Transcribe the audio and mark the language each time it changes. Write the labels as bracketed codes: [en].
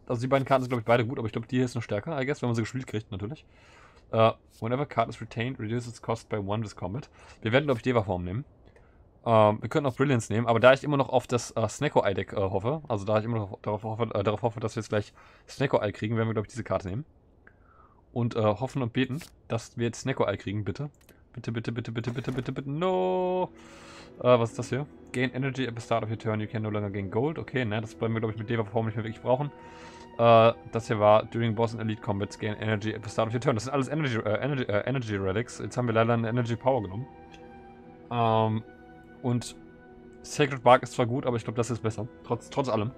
[de] Also, die beiden Karten sind, glaube ich, beide gut, aber ich glaube, die hier ist noch stärker, [en] I guess, [de] wenn man sie gespielt kriegt, natürlich. [en] Whenever card is retained, reduces its cost by 1 with combat. [de] Wir werden, glaube ich, Deva-Form nehmen. Wir könnten auch Brilliance nehmen, aber da ich immer noch auf das Snecko-Eye-Deck hoffe, also da ich immer noch darauf hoffe, dass wir jetzt gleich Snecko-Eye kriegen, werden wir, glaube ich, diese Karte nehmen. Und hoffen und beten, dass wir jetzt Snecko-Eye kriegen, bitte. Bitte, no! Was ist das hier? [en] Gain Energy at the start of your turn, you can no longer gain gold. [de] Okay, ne, das bleiben wir, glaube ich, mit Deva-Form nicht mehr wirklich brauchen. Das hier war [en] During Boss and Elite Combats, gain Energy at the start of your turn. [de] Das sind alles Energy Relics. Jetzt haben wir leider eine Energy Power genommen. Und Sacred Bark ist zwar gut, aber ich glaube, das ist besser. Trotz allem.